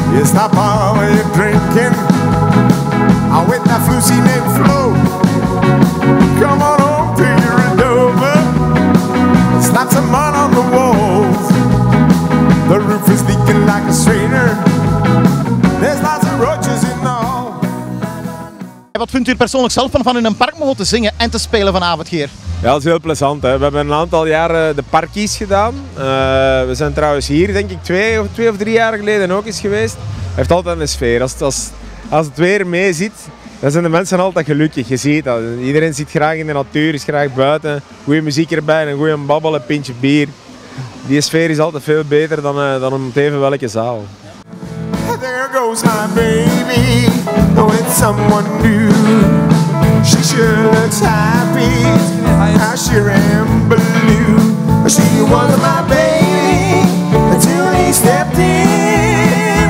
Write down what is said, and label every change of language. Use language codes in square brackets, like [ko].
[en] You stop all your drinking. Oh, with that floozy named Flo. Come on home to your Andover. Slap some mud on the walls. The roof is leaking like a strainer. There's lots of roaches in the hall. [nl] Hey, wat vindt u persoonlijk zelf van in een park mogen te zingen en te spelen vanavond hier? Ja, dat is heel plezant. Hè. We hebben een aantal jaren de parkies gedaan. We zijn trouwens hier, denk ik, twee of drie jaar geleden ook eens geweest. Het heeft altijd een sfeer. Als het weer mee zit, dan zijn de mensen altijd gelukkig. Je ziet dat. Iedereen zit graag in de natuur, is graag buiten. Goede muziek erbij, een goede babbel, een pintje bier. Die sfeer is altijd veel beter dan om het even welke zaal. [en] There goes my baby, though it's someone new. She sure looks happy. How she rambled you. She was my baby until he stepped in.